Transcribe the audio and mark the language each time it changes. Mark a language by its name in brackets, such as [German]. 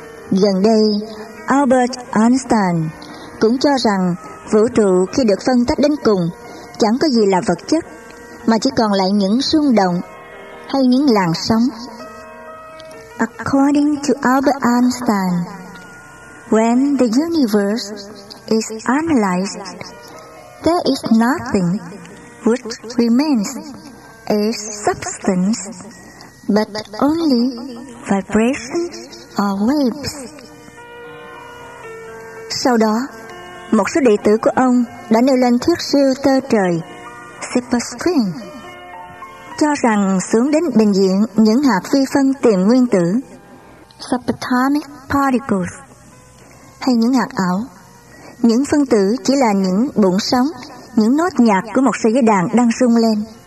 [Vietnamese] Gần đây, Albert Einstein cũng cho rằng vũ trụ khi được phân tách đến cùng chẳng có gì là vật chất, mà chỉ còn lại những rung động hay những làn sóng. [English] According to Albert Einstein, when the universe is analyzed, there is nothing which remains as substance, but only vibrations or waves. [Vietnamese] Sau đó, một số đệ tử của ông đã nêu lên thuyết siêu tơ trời, superstring, cho rằng xuống đến bình diện những hạt vi phân tiền nguyên tử, [English] subatomic particles, [Vietnamese] hay những hạt ảo, những phân tử chỉ là những bụng sóng, những nốt nhạc của một sợi dây đàn đang rung lên.